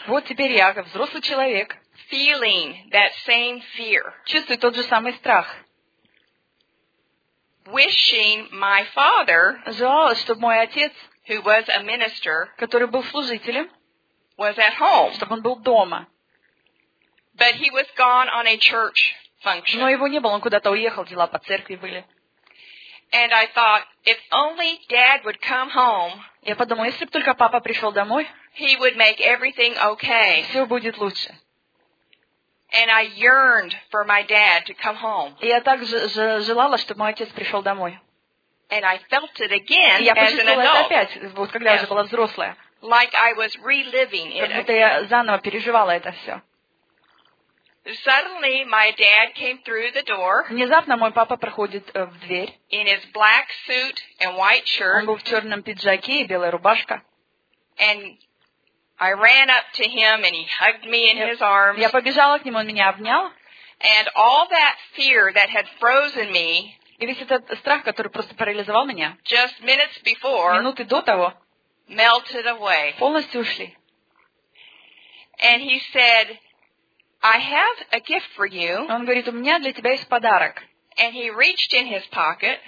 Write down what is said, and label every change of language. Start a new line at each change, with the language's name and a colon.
Russian: Вот теперь я, как взрослый человек.
English: Feeling that same fear.
Russian: Чувствую тот же самый страх.
English: Wishing my father.
Russian: Желала, чтобы мой отец.
English: Who was a minister.
Russian: Который был служителем.
English: Was at home.
Russian: Чтобы он был дома.
English: But he was gone on a church function.
Russian: Но его не было, он куда-то уехал, дела по церкви были.
English: And I thought, if only Dad would come home.
Russian: Я подумала, если бы только папа пришел домой.
English: He would make everything okay.
Russian: Все будет лучше.
English: And I yearned for my dad to come home.
Russian: И я так желала, чтобы мой отец пришел домой.
English: And I felt it again as an adult.
Russian: И я почувствовала это опять, вот когда я уже была взрослая.
English: Like I was reliving it.
Russian: Как будто я заново переживала это все.
English: Suddenly, my dad came through the door.
Russian: Внезапно мой папа проходит в дверь.
English: In his black suit and white shirt.
Russian: Он был в черном пиджаке и белая рубашка.
English: And I ran up to him and he hugged me in his arms.
Russian: Я побежала к нему, он меня обнял.
English: And all that fear that had frozen me.
Russian: И весь этот страх, который просто парализовал меня.
English: Just minutes before.
Russian: Минуты до того.
English: Melted away.
Russian: Полностью ушли.
English: And he said. I have a gift for you.
Russian: Он говорит, у меня для тебя есть подарок.
English: And he reached in his pocket.